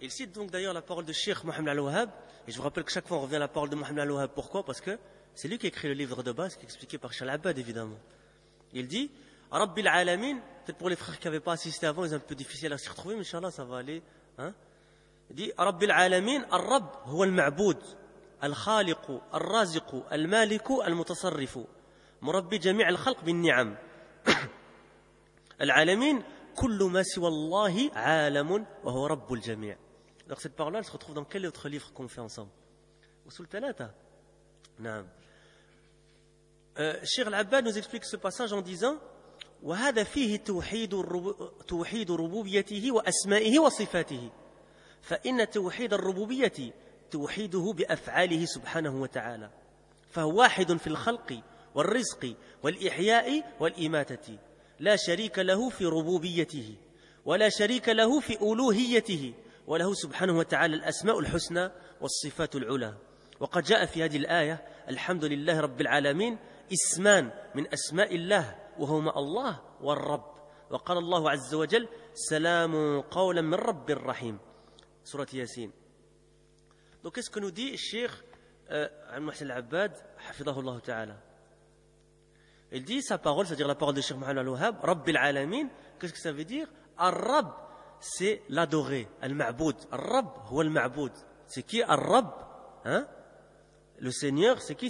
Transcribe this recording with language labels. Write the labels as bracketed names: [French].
[French] Il cite donc d'ailleurs la parole de Cheikh Mohamed Al-Wahhab, et je vous rappelle que chaque fois on revient à la parole de Mohamed Al-Wahhab, pourquoi? Parce que c'est lui qui a écrit le livre de base, qui est expliqué par Cheikh Al-Abbad évidemment. Il dit « Rabbil Alamin », peut-être pour les frères qui n'avaient pas assisté avant, ils ont un peu difficile à s'y retrouver, mais Inch'Allah ça va aller. Hein? Il dit « [Arabic] Rabbil Alamin, Ar-Rabb huwa al-Ma'boud ». الخالق الرازق المالك المتصرف مربي جميع الخلق بالنعم العالمين كل ما سوى الله عالم وهو رب الجميع. [French] Donc cette parole-là se retrouve dans quel autre livre qu'on fait ensemble? Usul 3. نعم. Cheikh Al-Abbad nous explique ce passage en disant [Arabic] وهذا فيه توحيد توحيد ربوبيته واسمائه وصفاته فان توحيد الربوبية توحيده بأفعاله سبحانه وتعالى فهو واحد في الخلق والرزق والإحياء والإماتة لا شريك له في ربوبيته ولا شريك له في ألوهيته وله سبحانه وتعالى الأسماء الحسنى والصفات العلى وقد جاء في هذه الآية الحمد لله رب العالمين اسمان من أسماء الله وهما الله والرب وقال الله عز وجل سلام قولا من رب الرحيم سورة ياسين. [French] Donc qu'est-ce que nous dit Cheikh Al-Muhsin Al-Abbad, hafidahullah ta'ala? Il dit sa parole, c'est-à-dire la parole de Cheikh Mohamed Al-Wahhab, Rabbil Alamin, qu'est-ce que ça veut dire? Ar-Rab, c'est l'adoré, Al-Ma'boud. [Arabic] Ar-Rab, huwa Al-Ma'boud. [French] C'est qui Ar-Rab? Hein? Le Seigneur, c'est qui?